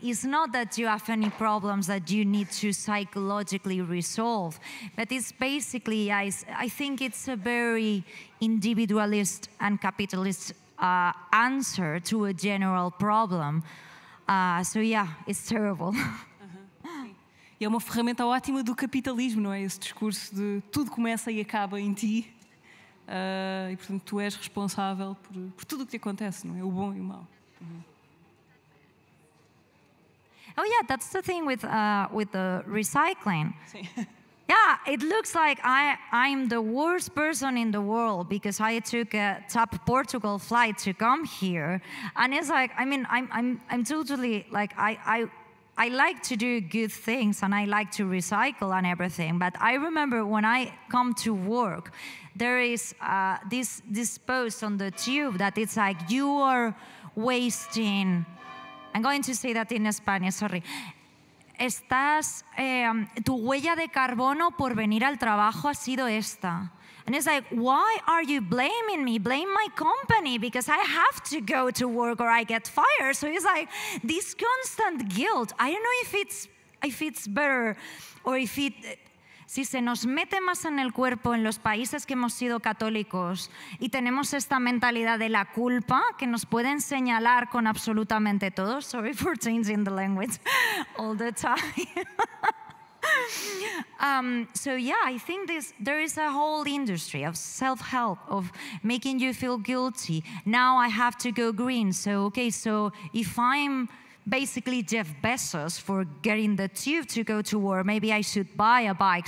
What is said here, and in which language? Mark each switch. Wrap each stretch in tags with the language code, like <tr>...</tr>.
<en>It's not that you have any problems that you need to psychologically resolve, but it's basically, I think it's a very individualist and capitalist answer to a general problem. So yeah, it's terrible.</en> <pt>E é uma ferramenta ótima do capitalismo, não é? Esse discurso de tudo começa e acaba em ti. E, portanto, tu és responsável por tudo o que te acontece, não é? O bom e o mau.</pt> <en>Uhum. Oh, yeah, that's the thing with the recycling.</en> <pt>Sim.</pt> <en>Yeah, it looks like I'm the worst person in the world because I took a TAP Portugal flight to come here. And it's like, I mean, I'm totally, like, I like to do good things and I like to recycle and everything. But I remember when I come to work, there is this post on the tube that it's like, you are wasting. I'm going to say that in Spanish, sorry.</en> <es>Estás, tu huella de carbono por venir al trabajo ha sido esta.</es> <en>And it's like, why are you blaming me? Blame my company because I have to go to work or I get fired. So it's like this constant guilt. I don't know if it's better or if it...</en> <es>Si se nos mete más en el cuerpo en los países que hemos sido católicos y tenemos esta mentalidad de la culpa que nos pueden señalar con absolutamente todo.</es> <en>Sorry for changing the language all the time. So yeah, I think there is a whole industry of self-help, of making you feel guilty. Now I have to go green. So if I'm basically Jeff Bezos for getting the tube to go to war, maybe I should buy a bike.</en>